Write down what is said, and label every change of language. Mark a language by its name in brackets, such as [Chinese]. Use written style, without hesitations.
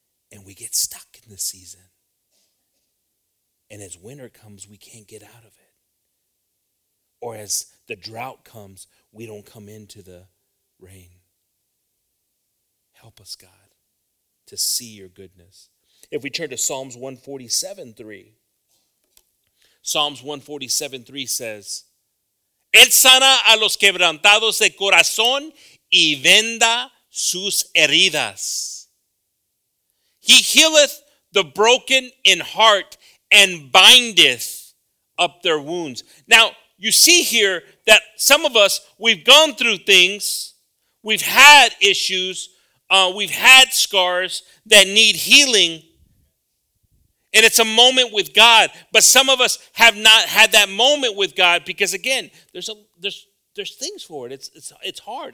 [English] And we get stuck in the season. And as winter comes, we can't get out of it. Or as the drought comes, we don't come into the rain. Help us, God, to see your goodness. If we turn to Psalms 147:3 says, [Spanish] Él sana a los quebrantados de corazón y venda sus heridas. [English] He healeth the broken in heart and bindeth up their wounds. Now, you see here that some of us, we've gone through things, we've had issues, we've had scars that need healing, and it's a moment with God, but some of us have not had that moment with God because, again, there's things for it. It's hard.